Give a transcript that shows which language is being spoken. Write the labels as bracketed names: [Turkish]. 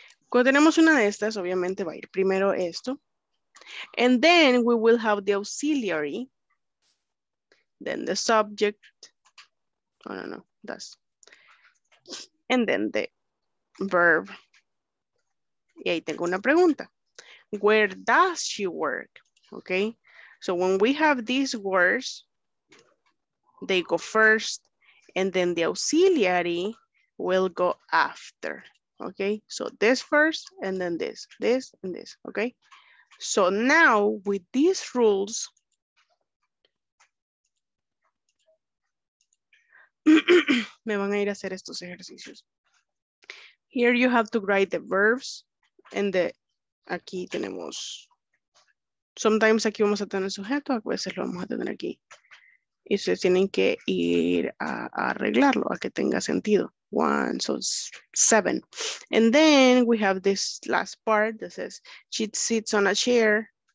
[Spanish] Cuando tenemos una de estas, obviamente va a ir primero esto. [English] And then we will have the auxiliary, then the subject, that's. And then the verb. [Spanish] Y ahí tengo una pregunta. [English] where does she work? Okay, so when we have these words, they go first, and then the auxiliary will go after. Okay, so this first, and then this, this, and this. Okay, so now with these rules, [Spanish] me van a ir a hacer estos ejercicios. [English] Here you have to write the verbs, and the [Spanish] aquí tenemos. Sometimes aquí vamos a tener sujeto, a veces lo vamos a tener aquí. Y ustedes tienen que ir a arreglarlo, a que tenga sentido. [English] One, so seven. And then we have this last part that says, she sits on a chair.